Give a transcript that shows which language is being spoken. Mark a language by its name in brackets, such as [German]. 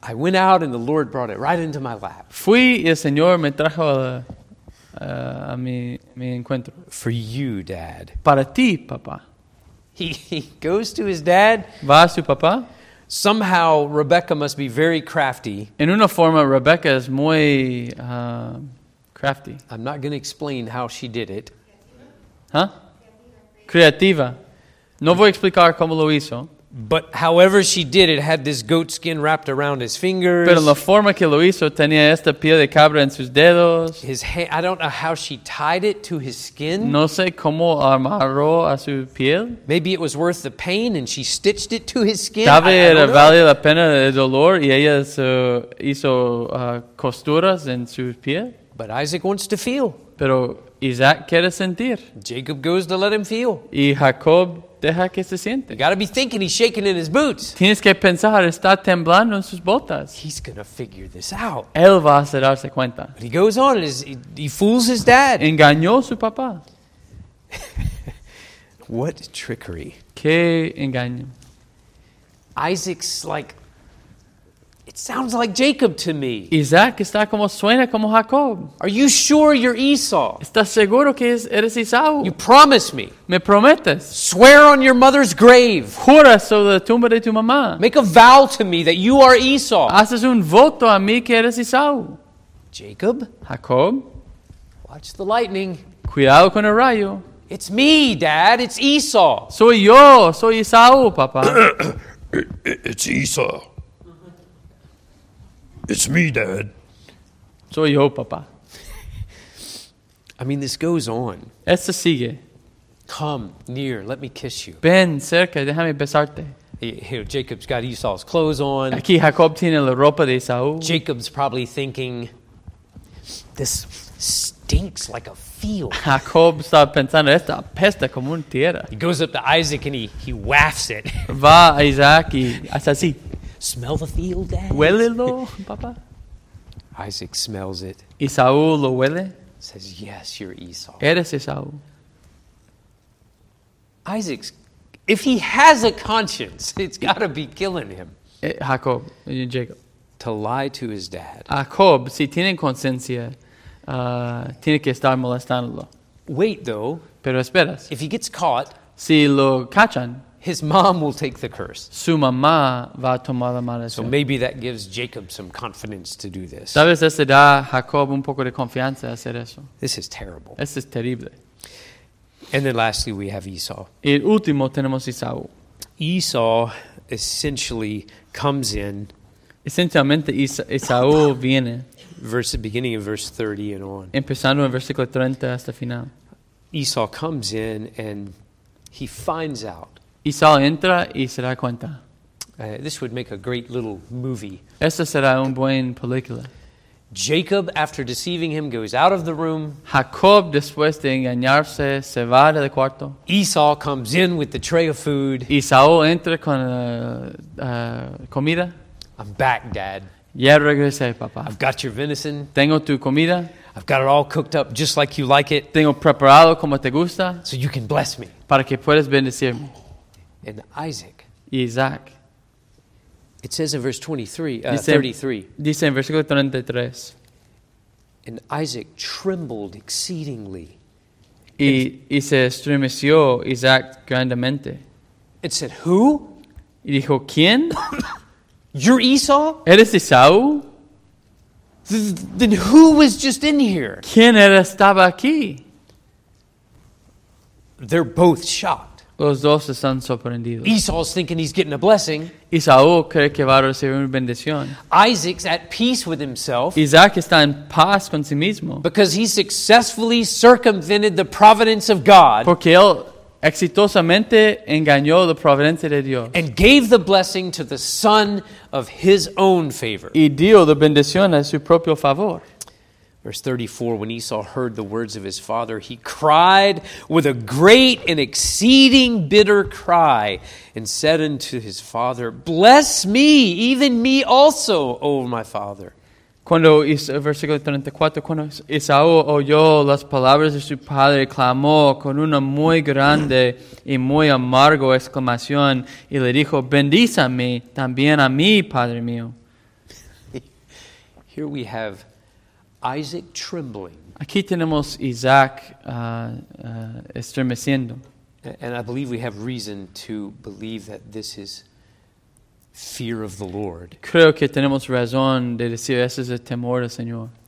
[English] I went out and the Lord brought it right into my lap. [Spanish] Fui y el Señor me trajo a mi encuentro. [English] For you, Dad. [Spanish] Para ti, papá. [English] He goes to his dad. [Spanish] Va a su papá. [English] Somehow, Rebecca must be very crafty. [Spanish] En una forma, Rebecca es muy crafty. [English] I'm not going to explain how she did it. [Spanish] Huh? Creativa. No voy a explicar cómo lo hizo. [English] But however she did, it had this goat skin wrapped around his fingers. [Spanish] Pero la forma que lo hizo, tenía esta piel de cabra en sus dedos. [English] His hand, I don't know how she tied it to his skin. [Spanish] No sé cómo amarró a su piel. [English] Maybe it was worth the pain and she stitched it to his skin. [Spanish] Tal vez era valía la pena el dolor y ella hizo costuras en su piel. [English] But Isaac wants to feel. [Spanish] Pero Isaac quiere sentir. [English] Jacob goes to let him feel. [Spanish] Y Jacob deja que se siente. [English] You gotta be thinking he's shaking in his boots. [Spanish] Tienes que pensar, está temblando en sus botas. [English] He's gonna figure this out. [Spanish] Él va a darse cuenta. [English] But he goes on, he fools his dad. [Spanish] Engañó su papá. [English] What trickery. [Spanish] Qué engaño. [English] Isaac's like, it sounds like Jacob to me. [Spanish] Isaac está como suena como Jacob. [English] Are you sure you're Esau? [Spanish] ¿Estás seguro que eres Esau? [English] You promise me. [Spanish] ¿Me prometes? [English] Swear on your mother's grave. [Spanish] Jura sobre la tumba de tu mamá. [English] Make a vow to me that you are Esau. [Spanish] Haces un voto a mí que eres Esau. [English] Jacob? [Spanish] Jacob? [English] Watch the lightning. [Spanish] Cuidado con el rayo. [English] It's me, Dad. It's Esau. [Spanish] Soy yo. Soy Esau, papá. [English] It's Esau. It's me, Dad. [Spanish] Soy yo, papá. [English] I mean, this goes on. [Spanish] Esto sigue. [English] Come near, let me kiss you. [Spanish] Ben, cerca, déjame besarte. [English] Here, Jacob's got Esau's clothes on. [Spanish] Aquí Jacob tiene la ropa de Esau. [English] Jacob's probably thinking, this stinks like a field. [Spanish] Jacob está pensando, esta apesta como una tierra. [English] He goes up to Isaac and he wafts it. [Spanish] Va a Isaac y hace así. [English] Smell the field, Dad. [Spanish] Huélelo, papá. [English] Isaac smells it. [Spanish] Esau lo huele. [English] Says, yes, you're Esau. [Spanish] Eres Esau. [English] Isaac's, if he has a conscience, it's got to be killing him. Jacob, Jacob. To lie to his dad. [Spanish] Jacob, si tiene conciencia, tiene que estar molestándolo. [English] Wait, though. [Spanish] Pero esperas. [English] If he gets caught. [Spanish] Si lo cachan. [English] His mom will take the curse. [Spanish] Su mamá va a tomar la maldición. [English] So maybe that gives Jacob some confidence to do this. [Spanish] Tal vez eso da a Jacob un poco de confianza hacer eso. [English] This is terrible. [Spanish] Esto es terrible. [English] And then lastly, we have Esau. [Spanish] Y último tenemos Esau. [English] Esau essentially comes in. [Spanish] Esencialmente Esau viene. [English] Verse beginning of verse 30 and on. [Spanish] Empezando en versículo 30 hasta final. [English] Esau comes in and he finds out. [Spanish] Esau entra y se da cuenta. [English] This would make a great little movie. [Spanish] Esta será un buen película. [English] Jacob, after deceiving him, goes out of the room. [Spanish] Jacob, después de engañarse, se va del cuarto. [English] Esau comes in with the tray of food. [Spanish] Esau entra con la comida. [English] I'm back, Dad. [Spanish] Ya regresé, papá. [English] I've got your venison. [Spanish] Tengo tu comida. [English] I've got it all cooked up just like you like it. [Spanish] Tengo preparado como te gusta. [English] So you can bless me. [Spanish] Para que puedas bendecirme. [English] And Isaac. [Spanish] Isaac. [English] It says in verse 33. [Spanish] Dice en versículo 33. [English] And Isaac trembled exceedingly. [Spanish] Y se estremeció Isaac grandemente. [English] It said, who? [Spanish] Y dijo, ¿quién? [English] You're Esau? [Spanish] ¿Eres Esau? [English] Then who was just in here? [Spanish] ¿Quién era estaba aquí? [English] They're both shocked. [Spanish] Los dos están sorprendidos. [English] Esau's thinking he's getting a blessing. [Spanish] Esau cree que va a recibir una bendición. [English] Isaac's at peace with himself. [Spanish] Isaac está en paz con sí mismo. [English] Because he successfully circumvented the providence of God. [Spanish] Porque él exitosamente engañó la providencia de Dios. [English] And gave the blessing to the son of his own favor. [Spanish] Y dio la bendición a su propio favor. [English] Verse 34, when Esau heard the words of his father, he cried with a great and exceeding bitter cry and said unto his father, bless me, even me also, O my father. [Spanish] Cuando, versículo 34, cuando Esau oyó las palabras de su padre, clamó con una muy grande y muy amargo exclamación y le dijo, bendízame también a mí, padre mío. [English] Here we have Isaac trembling. [Spanish] Aquí tenemos Isaac estremeciendo. [English] And I believe we have reason to believe that this is fear of the Lord. [Spanish] Creo que tenemos razón de decir ese es el temor del Señor.